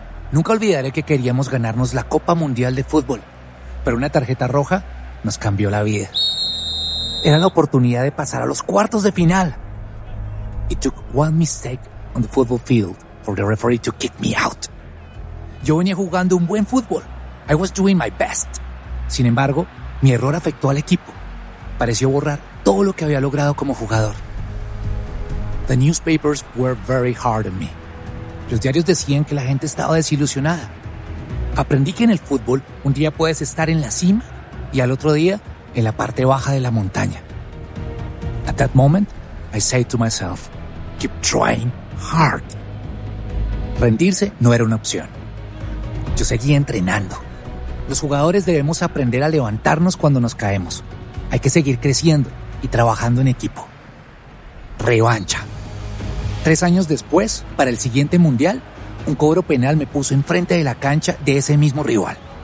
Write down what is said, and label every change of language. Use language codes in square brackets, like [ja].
[es] Nunca olvidaré que queríamos ganarnos la Copa Mundial de Fútbol, pero una tarjeta roja nos cambió la vida. Era la oportunidad de pasar a los cuartos de final. [en] It took one mistake on the football field for the referee to kick me out. [es] Yo venía jugando un buen fútbol. [en] I was doing my best. [es] Sin embargo, mi error afectó al equipo. Pareció borrar todo lo que había logrado como jugador. [en] The newspapers were very hard on me. [es] Los diarios decían que la gente estaba desilusionada. Aprendí que en el fútbol un día puedes estar en la cima y al otro día en la parte baja de la montaña. [en] At that moment, I said to myself, keep trying hard. [es] Rendirse no era una opción. Yo seguí entrenando. Los jugadores debemos aprender a levantarnos cuando nos caemos. Hay que seguir creciendo y trabajando en equipo. Revancha. 3 años después, para el siguiente mundial, un cobro penal me puso enfrente de la cancha de ese mismo rival.